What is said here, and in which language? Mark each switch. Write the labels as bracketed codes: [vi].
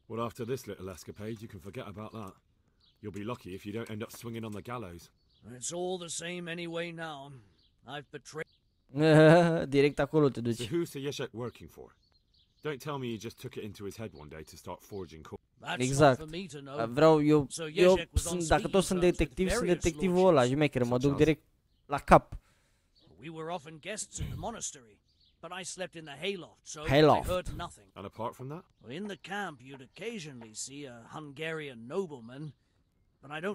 [en] Well, after this little escapade, you can forget about that. You'll be lucky if you don't end up swinging on the gallows. It's all the same anyway now. I've betrayed... [ro] Direct acolo te duci. [en] So who's Sir Ježek working for? Don't tell me he just took it into his head one day to start forging coins. That's exact. For me to know. [ro] Vreau eu, eu sunt, dacă tot sunt detectiv, sunt detectivul ăla, jumecher, mă duc direct la cap. [en] We were often guests in the monastery, but I slept in the hayloft, so hayloft. I heard nothing. And apart from that? In the camp, you'd occasionally see a Hungarian nobleman, but I don't